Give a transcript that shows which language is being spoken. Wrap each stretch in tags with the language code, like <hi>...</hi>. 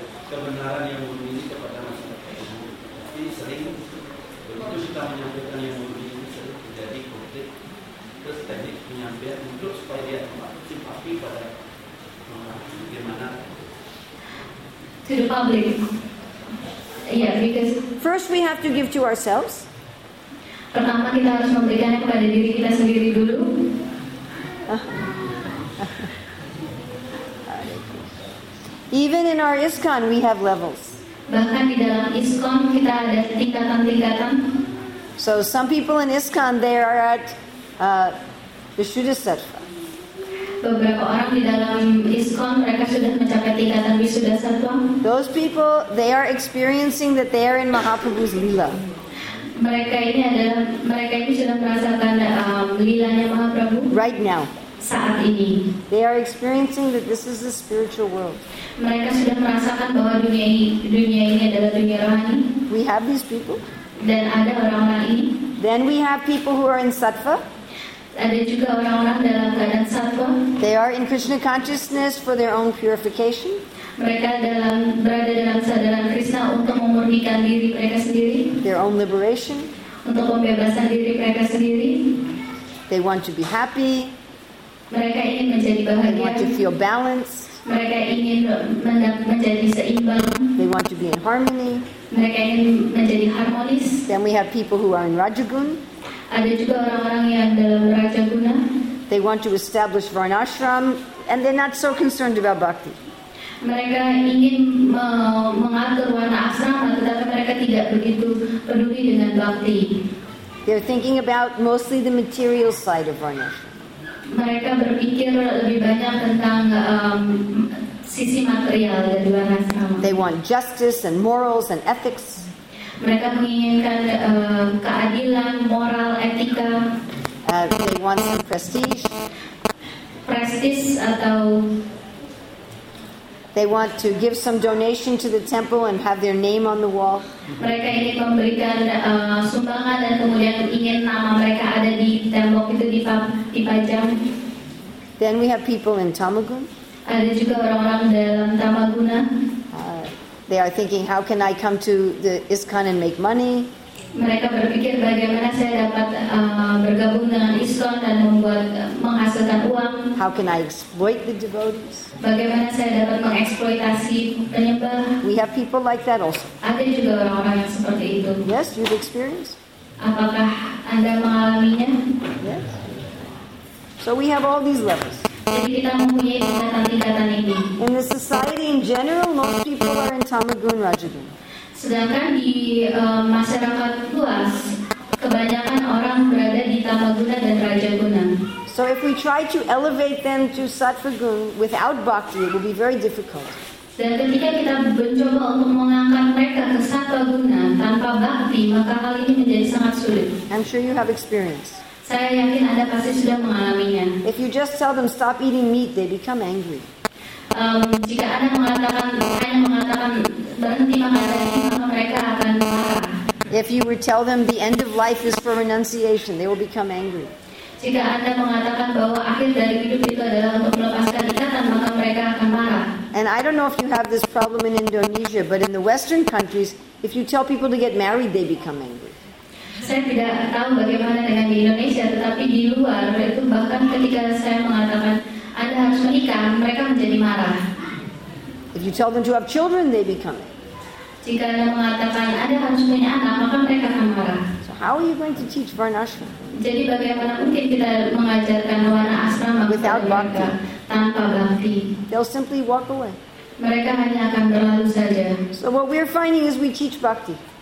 <id>Kebenaran yang murni ini kepada masyarakat ini sering begitu kita menyampaikan yang murni ini sering terjadi konflik terus teknik penyampaian untuk supaya dia simpati pada bagaimana</id> <en>to the public. Yeah, because first we have to give to ourselves.</en> <id>Pertama kita harus memberikannya kepada diri kita sendiri dulu.</id> <en>Even in our ISKCON, we have levels.</en> <id>Bahkan di dalam ISKCON kita ada tingkatan-tingkatan.</id> <en>So some people in ISKCON they are at the Vishuddha Sattva.</en> <id>Beberapa orang di dalam ISKCON mereka sudah mencapai tingkatan Vishuddha Sattva.</id> <en>Those people they are experiencing that they are in Mahaprabhu's lila.</en> <id>Mereka ini sudah merasakan lilanya Mahaprabhu.</id> <en>Right now.</en> <id>Saat ini.</id> <en>They are experiencing that this is the spiritual world.</en> <id>Mereka sudah merasakan bahwa dunia ini adalah dunia rohani.</id> <en>We have these people.</en> <id>Dan ada orang-orang ini.</id> <en>Then we have people who are in sattva.</en> <id>Ada juga orang-orang dalam keadaan sattva.</id> <en>They are in Krishna consciousness for their own purification.</en> <id>Mereka berada dalam sadaran Krishna untuk memurnikan diri mereka sendiri.</id> <en>Their own liberation.</en> <id>Untuk pembebasan diri mereka sendiri.</id> <en>They want to be happy.</en> <id>Mereka ingin menjadi bahagia.</id> <en>They want to feel balance.</en> <id>Mereka ingin menjadi seimbang.</id> <en>They want to be in harmony.</en> <id>Mereka ingin menjadi harmonis.</id> <en>Then we have people who are in rajagun.</en> <id>Ada juga orang-orang yang dalam rajaguna.</id> <en>They want to establish varnashram, and they're not so concerned about bhakti.</en> <id>Mereka ingin mengatur varnashram, tetapi mereka tidak begitu peduli dengan bhakti.</id> <en>They're thinking about mostly the material side of varnashram.</en> <id>Mereka berpikir lebih banyak tentang sisi material dari varnashrama.</id> <en>They want justice and morals and ethics.</en> <id>Mereka menginginkan keadilan, moral, etika.</id> <en>They want some prestige.</en> <id>Prestige atau</id> <en>they want to give some donation to the temple and have their name on the wall.</en> <id>Mereka ingin memberikan sumbangan dan kemudian ingin nama mereka ada di tembok itu dipajang.</id> <en>Then we have people in tamagun.</en> <id>Ada juga orang-orang dalam tamaguna.</id> <en>They are thinking, how can I come to the ISKCON and make money?</en> <id>Mereka berpikir bagaimana saya dapat bergabung dengan ISKCON dan menghasilkan uang.</id> <en>How can I exploit the devotees?</en> <id>Bagaimana saya dapat mengeksploitasi penyembah?</id> <en>We have people like that also.</en> <id>Ada juga orang-orang yang seperti itu.</id> <en>Yes, you've experienced.</en> <id>Apakah Anda mengalaminya?</id> <en>Yes. So we have all these levels.</en> <id>Jadi kita mempunyai tingkatan-tingkatan ini.</id> <en>In the society in general, most people are in tamaguna, rajaguna.</en> <id>Sedangkan di masyarakat luas, kebanyakan orang berada di tamaguna dan rajaguna.</id> <en>So if we try to elevate them to sattvaguna without bhakti, it will be very difficult.</en> <id>Dan ketika kita mencoba untuk mengangkat mereka ke sattvaguna tanpa bhakti, maka hal ini menjadi sangat sulit.</id> <en>I'm sure you have experience.</en> <id>Saya yakin Anda pasti sudah mengalaminya.</id> <en>If you just tell them stop eating meat, they become angry.</en> <id>Jika Anda mengatakan berhenti makan daging, maka mereka akan marah.</id> <en>If you were tell them the end of life is for renunciation, they will become angry.</en> <id>Jika Anda mengatakan bahwa akhir dari hidup itu adalah untuk melepaskan ikatan, maka mereka akan marah.</id> <en>And I don't know if you have this problem in Indonesia, but in the Western countries, if you tell people to get married, they become angry.</en> <id>Saya tidak tahu bagaimana dengan di Indonesia, tetapi di luar itu bahkan ketika saya mengatakan Anda harus menikah, mereka menjadi marah.</id> <en>If you tell them to have children, they become angry.</en> <id>Jika Anda mengatakan Anda harus punya anak, maka mereka akan marah.</id> <en>So how are you going to teach Varnashram?</en> <id>Jadi bagaimana mungkin kita mengajarkan warna asrama</id> <en>without bhakti?</en> <id>Tanpa bhakti.</id> <en>They'll simply walk away.</en> <id>Mereka hanya akan berlalu saja.</id> <en>So what we're finding is we teach bhakti.</en>